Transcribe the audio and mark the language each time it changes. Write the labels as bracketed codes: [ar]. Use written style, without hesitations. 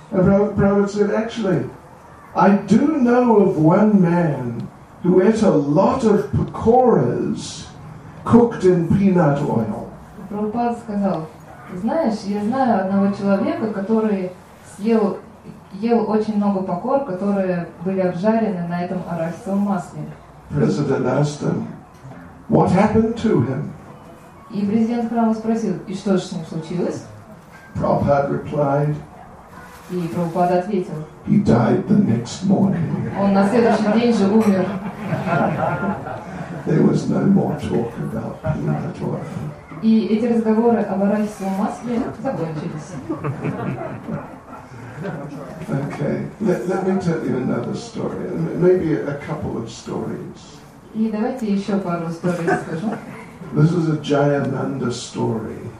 [en] And Prabhupada said, actually, I do know of one man who ate a lot of pakoras cooked in peanut oil. [ru] Прабхупада сказал, знаешь, я знаю одного человека, который съел ел очень много покор, которые были обжарены на этом арахисовом масле. [en] President asked him, what happened to him? [ru] И президент храма спросил, и что же с ним случилось? [en] Prabhupada replied, [ru] и Прабхупада ответил, [en] he died the next morning. [ru] Он на следующий день же умер. [en] There was no more talk about peanut oil. [ru] И эти разговоры об арахисовом масле закончились. [en] Okay, let me tell you another story, maybe a couple of stories. [ru] И давайте еще пару историй расскажу. [en] This is a Jayananda story.